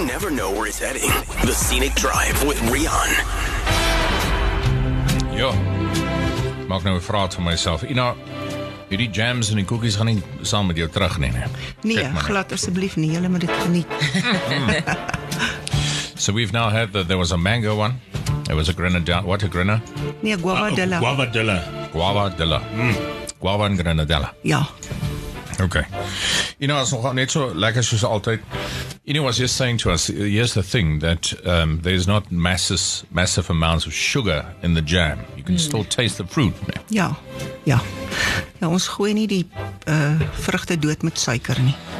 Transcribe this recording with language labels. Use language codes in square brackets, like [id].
[en] You never know where it's heading. The Scenic Drive with Rian. [af] Yo. Maak nou 'n vraag vir myself. Ina, hierdie jams en die koekies gaan nie saam met jou terug nie. Nee, glad asseblief nie. Jy moet dit geniet. [en] So we've now heard that there was a mango one. There was a grenadilla. What a grenadilla? [af] Nee, guavadilla. Guavadilla. Guavadilla. Guava en grenadilla. Ja. [en] Okay. You know, it's not [af] net so lekker soos altyd. [en] You know, I was just saying to us, here's the thing, that there's not massive amounts of sugar in the jam. You can still taste the fruit. [af] Ja, ja. Ja, ons gooi nie die vrugte dood met suiker nie.